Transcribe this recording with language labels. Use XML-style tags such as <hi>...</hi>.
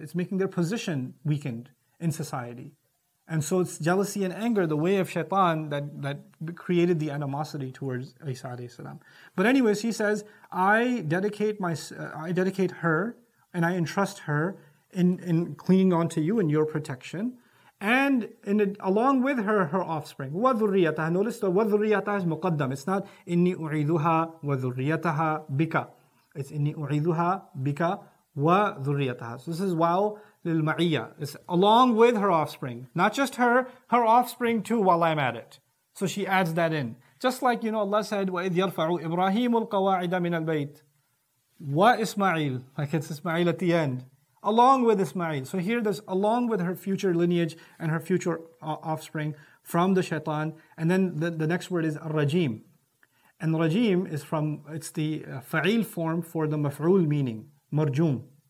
<en>It's making their position weakened in society. And so it's jealousy and anger, the way of shaitan that created the animosity towards Isa alayhi salam. But anyways, he says, I dedicate her and I entrust her in clinging on to you and your protection. And along with her offspring.</en> <ar>وَذُرِّيَّتَهَا.</ar> <en>Notice the وَذُرِّيَّتَهَا is مُقَدَّم.</en> <ar>It's not إِنِّي أُعِذُهَا وَذُرِّيَّتَهَا بِكَ. It's إِنِّي أُعِذُهَا بِكَ وَذُرِّيَّتَهَا.</ar> <en>So this is while لِلْمَعِيَّةِ. It's along with her offspring. Not just her offspring too while I'm at it. So she adds that in.</en> <ar>Just like, you know, Allah said, وَإِذْ يَرْفَعُ إِبْرَاهِيمُ الْقَوَاعِدَ مِنَ الْبَيْتِ وَإِسْمَعِيلُ.</ar> <en>Like it's Ismail at the end. Along with Ismail. So here there's along with her future lineage and her future offspring from the shaitan. And then the next word is الرَّجِيمُ. And rajim is from, it's the fa'il form for the maf'ul meaning, marjum.</en>